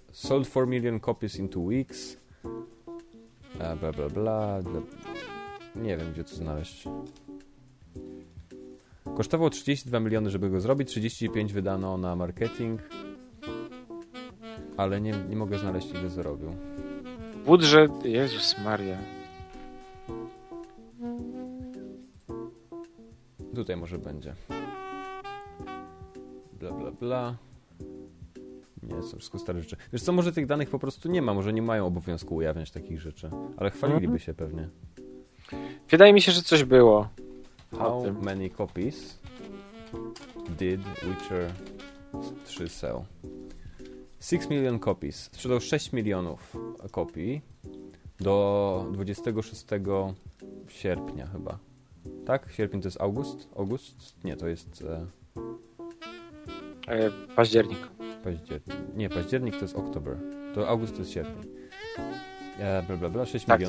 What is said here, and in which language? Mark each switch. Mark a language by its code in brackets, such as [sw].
[en] Sold 4 million copies in 2 weeks. Bla, bla, bla. [pl] Nie wiem, gdzie to znaleźć. Kosztował 32 miliony, żeby go zrobić, 35 wydano na marketing, ale nie mogę znaleźć, ile zarobił. Budżet, Jezus Maria. Tutaj może będzie. Bla, bla, bla. Nie, są wszystko stare rzeczy. Wiesz co, może tych danych po prostu nie ma, może nie mają obowiązku ujawniać takich rzeczy, ale chwaliliby się pewnie. Wydaje mi się, że coś było. [en] How many copies did Witcher 3 sell? 6 million copies. [pl] Sprzedał 6 milionów kopii do 26 sierpnia chyba. Tak? Sierpień to jest august? August? Nie, to jest... Październik. Październik to jest oktober. To august to jest sierpień. Bla, bla, bla, 6 tak, milionów.